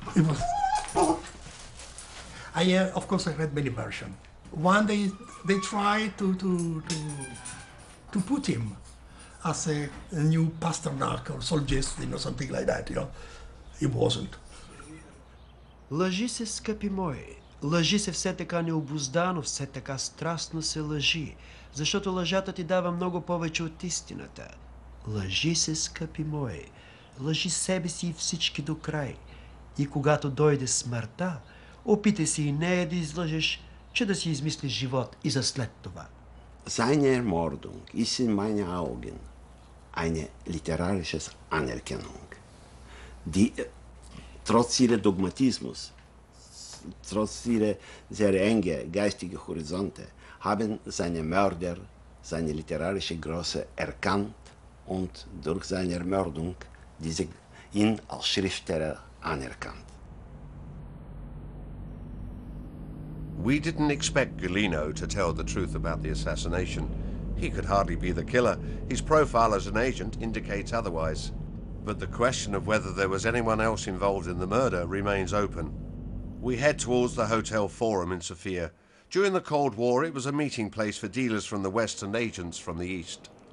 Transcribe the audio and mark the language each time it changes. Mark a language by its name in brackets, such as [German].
[English] It was... I read many versions. One, they tried to put him as a new Pasternak or Solzhenitsyn or something like that, you know. It wasn't. [Bulgarian] Лъжи се, скъпи мои. Лъжи се все така необуздано, все така страстно се лъжи, защото лъжата ти дава много повече от истината. Лъжи се, скъпи мои. Лъжи себе си и всички до край. И когато дойде смъртта, опитай се и нея да излъжеш, че да си измислиш живот и за след това. [German] Seine Ermordung ist in meine Augen eine literarische Anerkennung. Trotz ihres Dogmatismus, trotz ihrer sehr engen geistigen Horizonte, haben seine Mörder seine literarische Größe erkannt und durch seine Ermordung diese ihn als Schriftsteller anerkannt. [English] We didn't expect Galino to tell the truth about the assassination. He could hardly be the killer. His profile as an agent indicates otherwise. But the question of whether there was anyone else involved in the murder remains open. We head towards the Hotel Forum in Sofia. During the Cold War, it was a meeting place for dealers from the West and agents from the East.